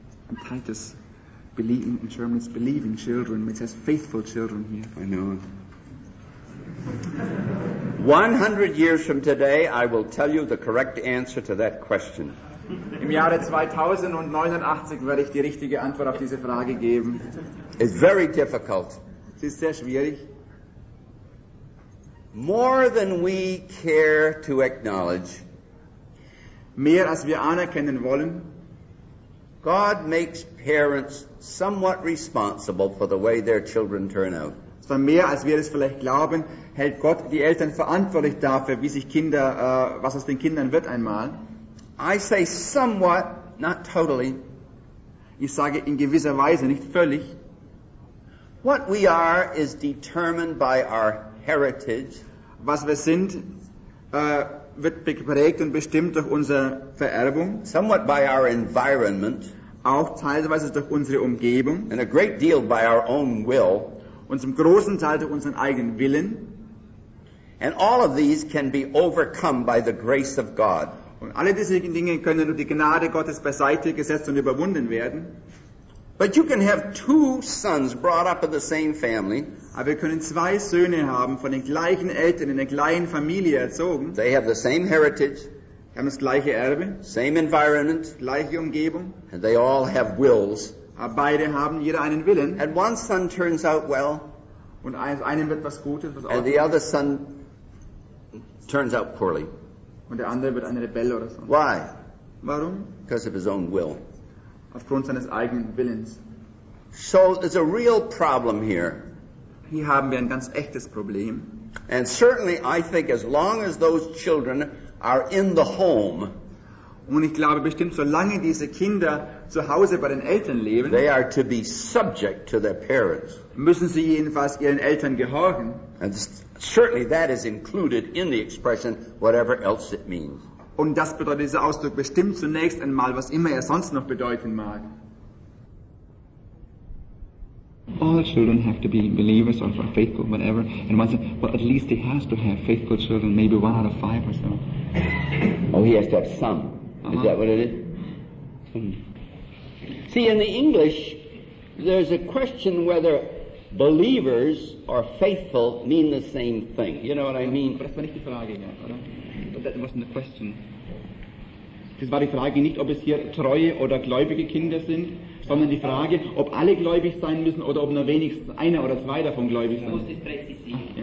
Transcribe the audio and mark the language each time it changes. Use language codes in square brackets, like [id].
[en] In Titus, believing, in German it's believing children, it says faithful children here. I know. 100 years from today, I will tell you the correct answer to that question. [de] Im Jahre 2089 werde ich die richtige Antwort auf diese Frage geben. [en] It's very difficult. [de] Es ist sehr schwierig. [en] More than we care to acknowledge. [de] Mehr als wir anerkennen wollen. [en] God makes parents somewhat responsible for the way their children turn out. [de] Zwar mehr als wir es vielleicht glauben, hält Gott die Eltern verantwortlich dafür, wie sich Kinder, was aus den Kindern wird einmal. [en] I say somewhat, not totally. [de] Ich sage in gewisser Weise, nicht völlig. [en] What we are is determined by our heritage. [de] Was wir sind, wird geprägt und bestimmt durch unsere Vererbung. [en] Somewhat by our environment. [de] Auch teilweise durch unsere Umgebung. [en] And a great deal by our own will. [de] Und zum großen Teil durch unseren eigenen Willen. [en] And all of these can be overcome by the grace of God. [de] Und alle diese Dinge können durch die Gnade Gottes beiseite gesetzt und überwunden werden. [en] But you can have two sons brought up in the same family. [de] Aber wir können zwei Söhne haben von den gleichen Eltern in der gleichen Familie erzogen. [en] They have the same heritage. [de] Sie haben das gleiche Erbe. [en] Same environment. [de] Gleiche Umgebung. [en] And they all have wills. [de] Aber beide haben jeder einen Willen. [en] And one son turns out well. [de] Und einem wird was Gutes, was [en] And the other son turns out poorly. [de] Und der andere wird ein Rebell oder so. [en] Why? [de] Warum? [en] Because of his own will. [de] Aufgrund seines eigenen Willens. [en] So there's a real problem here. [de] Hier haben wir ein ganz echtes Problem. [en] And certainly I think as long as those children are in the home. [de] Und ich glaube bestimmt, solange diese Kinder zu Hause bei den Eltern leben. [en] They are to be subject to their parents. [de] Müssen sie jedenfalls ihren Eltern gehorchen. [en] And certainly that is included in the expression, whatever else it means. [de] Und das bedeutet dieser Ausdruck bestimmt zunächst einmal, was immer er sonst noch bedeuten mag. [en] All children have to be believers or faithful, whatever. And one says, well, at least he has to have faithful children, maybe one out of five or so. Oh, he has to have some. Uh-huh. Is that what it is? Some. See, in the English, there's a question whether believers or faithful mean the same thing. You know what I mean? But that's not the [de] Frage, oder? [en] That wasn't the question. [de] Das war die Frage nicht, ob es hier treue oder gläubige Kinder sind, sondern die Frage, ob alle gläubig sein müssen oder ob nur wenigstens einer oder zwei davon gläubig sein. Man muss es präzisieren.